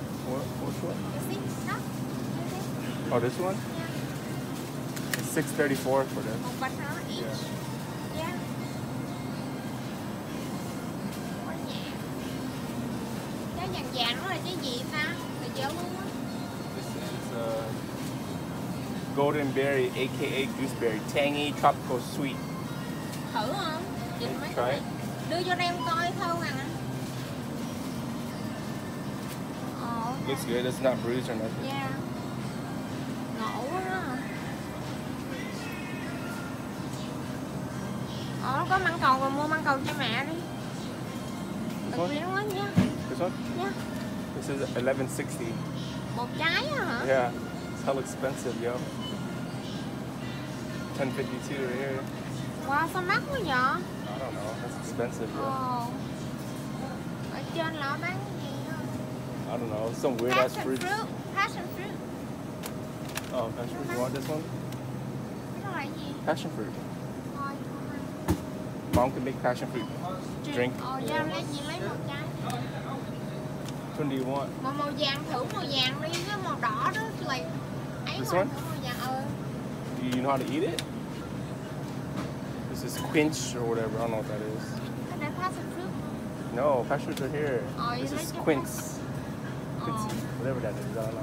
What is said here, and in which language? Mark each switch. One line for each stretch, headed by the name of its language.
English: What? What's what? This one? Oh, this one? Yeah. It's $6.34 for this.
Vietnamese: Một bịch đó each. Yeah. Cái vàng vàng đó là cái gì ta?
English: This is golden berry, aka gooseberry, tangy, tropical, sweet.
Vietnamese: Thử không? Nhìn mấy cái. Đưa cho em coi thôi à.
English: Oh, okay. Looks good. It's not bruised or nothing.
Vietnamese: Yeah. Ngộ quá. Ồ, có măng cầu rồi, mua măng cầu cho mẹ đi. Tự nhiên quá nha.
English: This one? Yeah. This is $11.60.
Vietnamese: Một trái hả?
English: Yeah, it's hell expensive, yo. $10.52 right here.
Vietnamese: Wow, sao mắc quá nhỉ?
English: I don't know, that's expensive, yo.
Vietnamese: Oh. Ở trên nó bán cái gì
English: hả? I don't know, some weird ass fruit. Passion fruit. Oh, passion fruit. You want this one?
Vietnamese: Cái đó là gì?
English: Passion fruit.
Vietnamese: Thôi,
English: mom can make passion fruit drink.
Vietnamese: Ồ, cho em lấy gì lấy một trái.
English: Which one do you want?
Vietnamese: Màu vàng, thử màu vàng đi, cái màu đỏ đó là ấy.
English: This one?
Vietnamese: Màu vàng.
English: Do you know how to eat it? This is quince or whatever, I don't know what that is. Can I pass a fruit? No, passion fruit are here. Oh, this is like quince. Quince, oh. Whatever that is, I don't know.